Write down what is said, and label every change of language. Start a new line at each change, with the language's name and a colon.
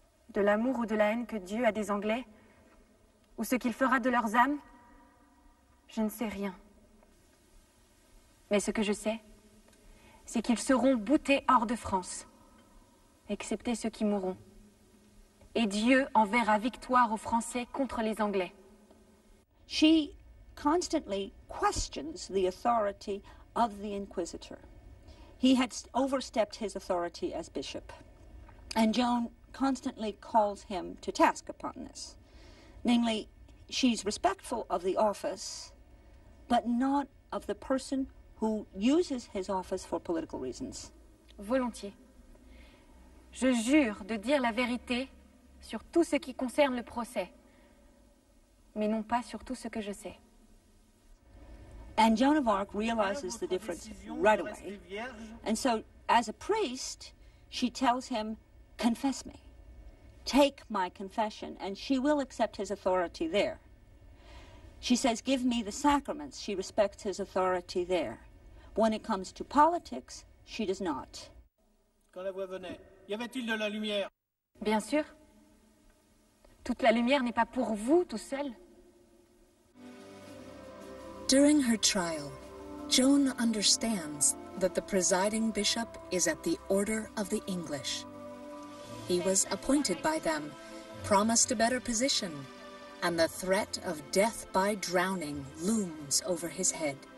French: De l'amour ou de la haine que Dieu a des Anglais, ou ce qu'il fera de leurs âmes, je ne sais rien. Mais ce que je sais, c'est qu'ils seront boutés hors de France. Excepté ceux qui mourront. Et Dieu enverra victoire aux Français contre les Anglais.
English: She constantly questions the authority of the Inquisitor. He had overstepped his authority as bishop. And Joan constantly calls him to task upon this. Namely, she's respectful of the office, but not of the person who uses his office for political reasons.
French: Volontiers. Je jure de dire la vérité sur tout ce qui concerne le procès, mais non pas sur tout ce que je sais.
English: And Joan of Arc realizes the difference right away. And so, as a priest, she tells him, confess me. Take my confession. And she will accept his authority there. She says, give me the sacraments. She respects his authority there. When it comes to politics, she does not.
French: Quand la voix venait, y avait-il de la lumière? Bien sûr. Toute la lumière n'est pas pour vous, tout seul.
English: During her trial, Joan understands that the presiding bishop is at the order of the English. He was appointed by them, promised a better position, and the threat of death by drowning looms over his head.